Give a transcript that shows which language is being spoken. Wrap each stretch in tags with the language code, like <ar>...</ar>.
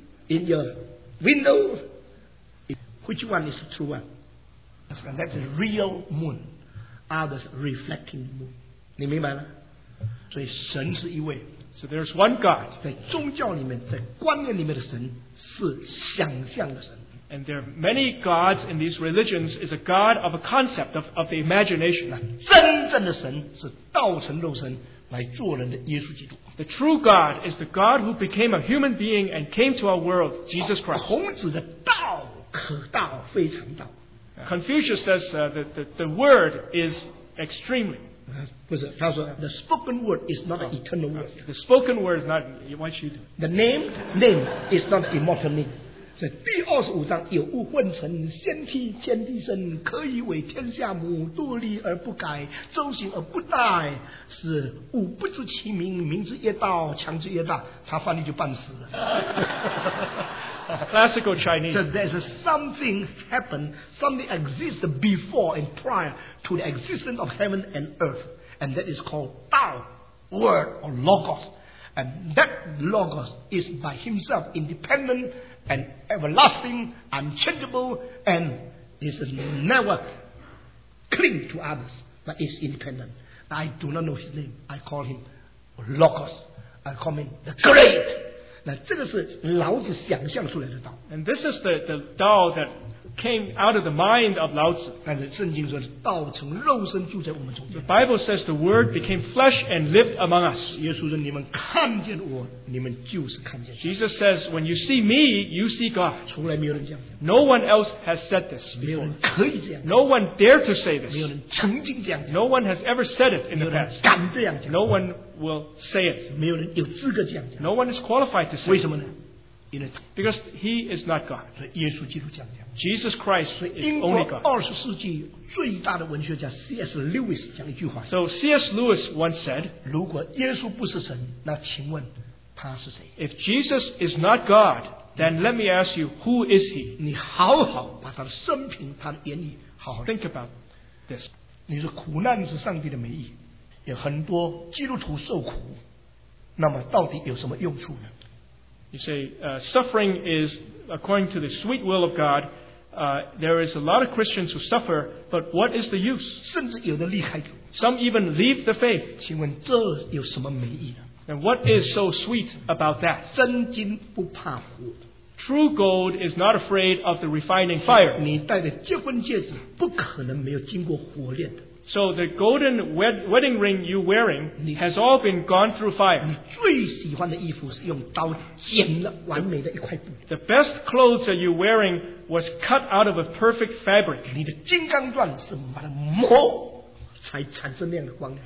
<en>In your window? Which one is the true one? That's a real moon. Others reflecting moon.</en> <zh>你明白了？所以神是一位。</zh> <en>So there's one God.</en> <zh>在宗教里面，在观念里面的神是想象的神。</zh> <en>And there are many gods in these religions. Is a god of a concept of the imagination.</en> <zh>真正的神是道成肉身，来做人的耶稣基督。</zh> <en>The true God is the God who became a human being and came to our world, Jesus Christ.</en> <zh>孔子的道可道非常道。</zh> <en>Confucius says that the word is extremely.</en> <zh>不是，他说</zh> <en>the spoken word is not an eternal word. The spoken word is not what you do. The name is not immortal name.</en> <zh>在第二十五章，有物混成，先替天地生，可以为天下母，多立而不改，周行而不殆，是物不知其名，名之越道，强之越大，他翻译就半死了。</zh> <en>Classical Chinese. So there's something happened, something exists before and prior to the existence of heaven and earth, and that is called Tao, Word or Logos, and that Logos is by himself independent. And everlasting, unchangeable, and is never cling to others, but is independent. I do not know his name. I call him Logos. I call him the Great.</en> <zh>那这个是老子想象出来的道。</zh> <en>And this is the Tao that came out of the mind of Lao Tzu.</en> <zh>但是圣经说道成肉身就在我们中间。</zh> <en>The Bible says the Word became flesh and lived among us.</en> <zh>耶稣说你们看见我，你们就是看见。</zh> <en>Jesus says, when you see me, you see God.</en> <zh>从来没有人这样讲。</zh> <en>No one else has said this.</en> <zh>没有人可以这样。</zh> <en>No one dare to say this.</en> <zh>没有人曾经这样。</zh> <en>No one has ever said it in the past.</en> <zh>敢这样讲。</zh> <en>No one will say it.</en> <zh>没有人有资格这样讲。</zh> <en>No one is qualified to say it.</en> <zh>为什么呢？</zh> <en>Because he is not God. Jesus Christ is only God. So C.S. Lewis once said, if Jesus is not God, then let me ask you, who is he? Think about this.</en> <zh>你说苦难是上帝的美意，有很多基督徒受苦，那么到底有什么用处呢？</zh> <en>You say, suffering is according to the sweet will of God. There is a lot of Christians who suffer, but what is the use?</en> <zh>甚至有的离开主。</zh> <en>Some even leave the faith.</en> <zh>请问这有什么美意呢？</zh> <en>And what is so sweet about that?</en> <zh>真金不怕火。</zh> <en>True gold is not afraid of the refining fire.</en> <zh>你戴的结婚戒指不可能没有经过火炼的。</zh> <en>So the golden wedding ring you're wearing has all been gone through fire.</en> <zh>你最喜欢的衣服是用刀剪了完美的一块布。</zh> <en>The best clothes that you're wearing was cut out of a perfect fabric.</en> <zh>你的金刚钻是把它磨才产生那样的光亮。</zh>